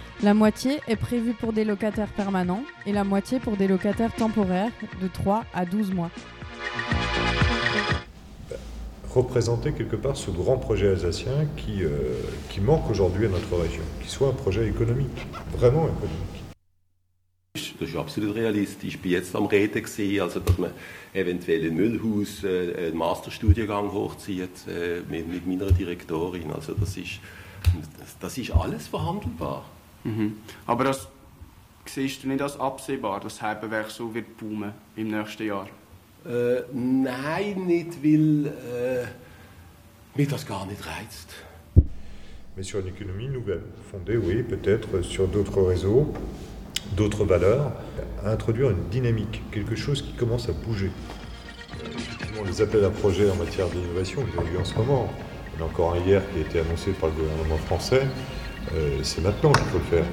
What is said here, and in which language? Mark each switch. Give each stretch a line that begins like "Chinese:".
French: La moitié est prévue pour des locataires permanents et la moitié pour des locataires temporaires de 3 à 12 mois. Représenter quelque part ce grand projet alsacien qui manque aujourd'hui à notre région, qui soit un projet économique, vraiment économique.
German: Das ist absolut realistisch. Ich bin jetzt am Reden gewesen, also dass man eventuell in Müllhaus einen Masterstudiengang hochzieht mit meiner Direktorin. Also das ist alles verhandelbar. Aber das siehst du nicht als absehbar, dass Heibenwerk so wird boomen im nächsten Jahr? Nein, nicht, weil mich das gar nicht reizt.
French: Mais sur une économie nouvelle, fondée, oui, peut-être sur d'autres réseaux. D'autres valeurs, à introduire une dynamique, quelque chose qui commence à bouger. Les appels à projets en matière d'innovation, vous avez vu en ce moment, il y en a encore un hier qui a été annoncé par le gouvernement français, c'est maintenant qu'il faut le faire.